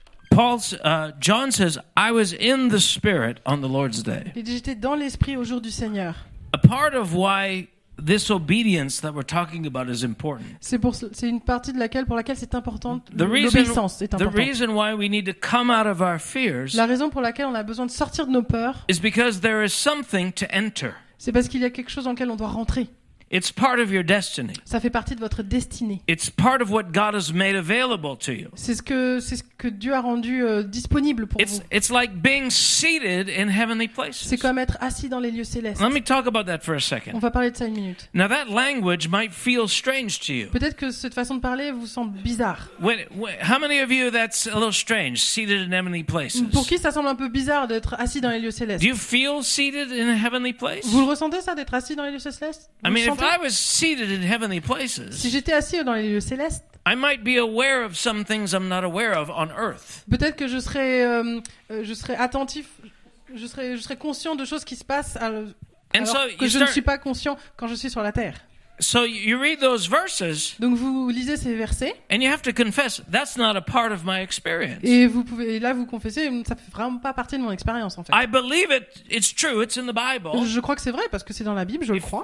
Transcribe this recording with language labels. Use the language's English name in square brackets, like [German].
[English] John says, I was in the Spirit on the Lord's Day. [French] J'étais dans l'Esprit au jour du Seigneur. [English] A part of why this obedience that we're talking about is important. [French] C'est une partie de laquelle, pour laquelle c'est important, l'obéissance est importante. [English] The reason why we need to come out of our fears, [French] la raison pour laquelle on a besoin de sortir de nos peurs, [English] is because there is something to enter. [French] C'est parce qu'il y a quelque chose dans lequel on doit rentrer. [English] It's part of your destiny. [French] Ça fait partie de votre destinée. [English] It's part of what God has made available to you. [French] C'est ce que Dieu a rendu disponible pour vous. [English] It's like being seated in heavenly places. [French] C'est comme être assis dans les lieux célestes. [English] Let me talk about that for a second. [French] On va parler de ça une minute. [English] Now that language might feel strange to you. [French] Peut-être que cette façon de parler vous semble bizarre. [English] How many of you that's a little strange, seated in heavenly places? [French] Pour qui ça semble un peu bizarre d'être assis dans les lieux célestes? [English] Do you feel seated in a heavenly place? [French] Vous le ressentez ça d'être assis dans les lieux célestes? [English] If I was seated in heavenly places, [French] si j'étais assis dans les lieux célestes, [English] I might be aware of some things I'm not aware of on earth. [French] Peut-être que je serais attentif, je serais conscient de choses qui se passent ne suis pas conscient quand je suis sur la terre. [English] So you read those verses. [French] Donc vous lisez ces versets. [English] And you have to confess that's not a part of my experience. [French] Et là vous confessez ça fait vraiment pas partie de mon expérience en fait. [English] I believe it. It's true. It's in the Bible. [French] Je crois que c'est vrai parce que c'est dans la Bible, je le crois.